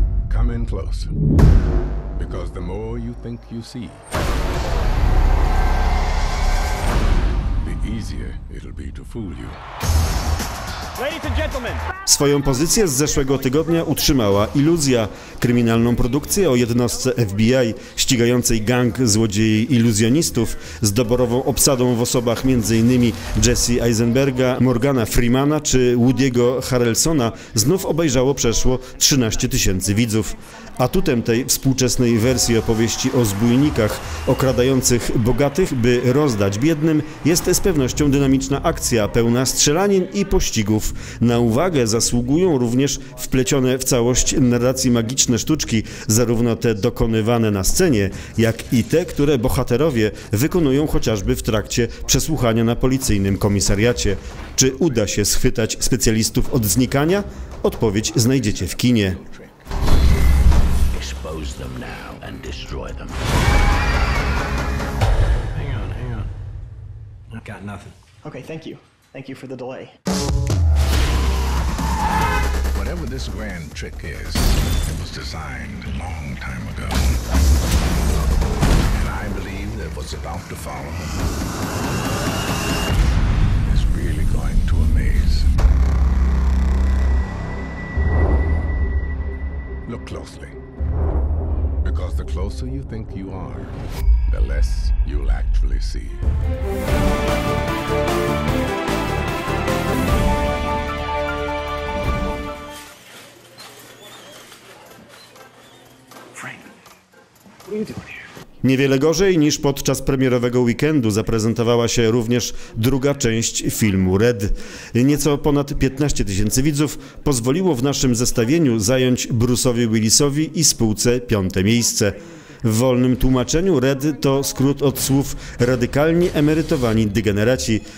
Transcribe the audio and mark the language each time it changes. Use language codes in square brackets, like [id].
[en] Come in close, because the more you think you see, the easier it'll be to fool you. [pl] Swoją pozycję z zeszłego tygodnia utrzymała Iluzja, kryminalną produkcję o jednostce FBI ścigającej gang złodziei iluzjonistów z doborową obsadą w osobach m.in. Jesse Eisenberga, Morgana Freemana czy Woody'ego Harrelsona znów obejrzało przeszło 13 tysięcy widzów. Atutem tej współczesnej wersji opowieści o zbójnikach okradających bogatych, by rozdać biednym, jest z pewnością dynamiczna akcja pełna strzelanin i pościgów. Na uwagę zasługują również wplecione w całość narracji magiczne sztuczki, zarówno te dokonywane na scenie, jak i te, które bohaterowie wykonują chociażby w trakcie przesłuchania na policyjnym komisariacie. Czy uda się schwytać specjalistów od znikania? Odpowiedź znajdziecie w kinie. [en] Expose them now and destroy them. Hang on. I've got nothing. Okay, thank you. Thank you for the delay. Whatever this grand trick is, it was designed a long time ago. And I believe that what's about to follow is really going to amaze. Look closely. Because the closer you think you are, the less you'll actually see. Frank, what are you doing here? [pl] Niewiele gorzej niż podczas premierowego weekendu zaprezentowała się również druga część filmu Red. Nieco ponad 15 tysięcy widzów pozwoliło w naszym zestawieniu zająć Bruce'owi Willisowi i spółce piąte miejsce. W wolnym tłumaczeniu Red to skrót od słów radykalni emerytowani degeneraci.